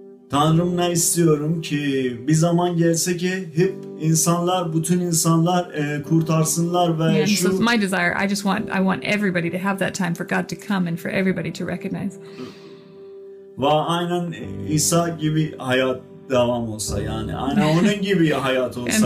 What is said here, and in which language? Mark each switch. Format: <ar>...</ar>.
<tr>Tanrım ne istiyorum ki bir zaman gelse ki hep insanlar, bütün insanlar kurtarsınlar ve</tr> <en>yeah, so my desire, I want everybody to have that time for God to come and for everybody to recognize.</en> <tr>Ve aynen İsa gibi hayat devam olsa, yani aynen onun gibi hayat olsa.</tr>